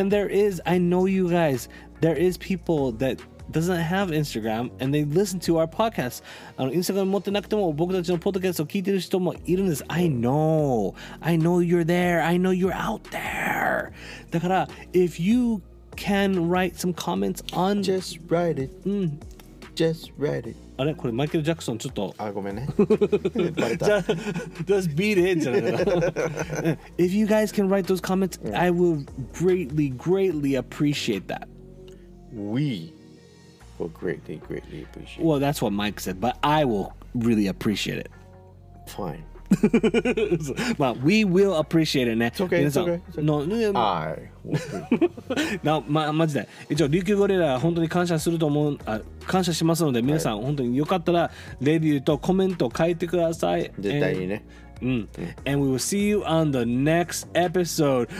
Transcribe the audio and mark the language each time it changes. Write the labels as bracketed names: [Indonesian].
[English] And there is, I know you guys There is people that doesn't have Instagram And they listen to our podcast [Japanese] あのインスタグラム持ってなくても僕たちのポッドキャストを聞いてる人もいるんです、うん、 [English] I know you're there I know you're out there [Japanese] だから [English] If you can write some comments on Just write it、うん、 just read it. [Japanese] あれこれマイケル・ジャクソンちょっと。あ、ごめんね。バレた。じゃあ、 [English] just beat it [Japanese] じゃないかな。 [English] If you guys can write those comments,、yeah. I will greatly, greatly appreciate that. We will greatly, greatly appreciate it. Well, that's what Mike said, but I will really appreciate it. Fine. Well, we will appreciate it, ね. It's okay, it's okay. It's okay. No, no, I [Japanese] なまマジで一応琉球ゴリラ本当に感謝すると思う、あ、感謝しますので皆さん本当によかったらレビューとコメント書いてください。絶対にね。 [English] うん、and we will see you on the next episode.